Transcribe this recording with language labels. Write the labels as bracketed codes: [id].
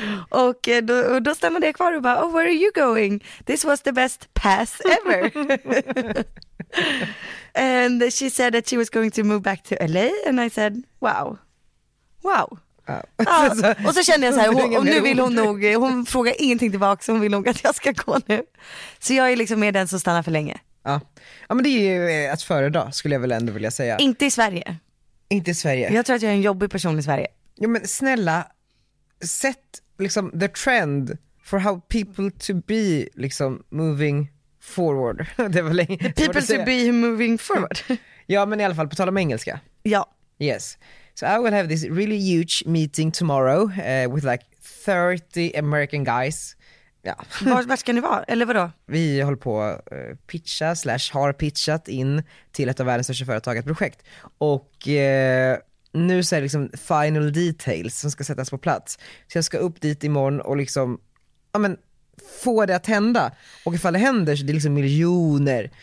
[sv] Och då stämmer det kvar och bara, [en] oh, where are you going? This was the best pass ever. And she said that she was going to move back to LA. And I said, wow. Wow. Oh. [sv] Ah, och så kände jag så här, hon frågar ingenting tillbaka, så hon vill nog att jag ska gå nu. Så jag är liksom mer den som stannar för länge. Ja, ja, men det är ju att föredra, skulle jag väl ändå vilja säga. Inte i Sverige. Inte i Sverige. Jag tror att jag är en jobbig person i Sverige. Jo, men snälla, sätt liksom [en] the trend for how people to be [sv] liksom [en] moving forward. [sv] Det var länge. [en] The people to be moving forward. [sv] Ja, men i alla fall på tal om engelska. Ja. [en] Yes. So I will have this really huge meeting tomorrow with like 30 American guys. [sv] Ja. Var ska ni vara? Eller vadå? Vi håller på att pitcha slash har pitchat in till ett av världens största företag, ett projekt. Och nu så är det liksom final details som ska sättas på plats. Så jag ska upp dit imorgon och liksom, ja men få det att hända. Och ifall det händer så det är liksom miljoner.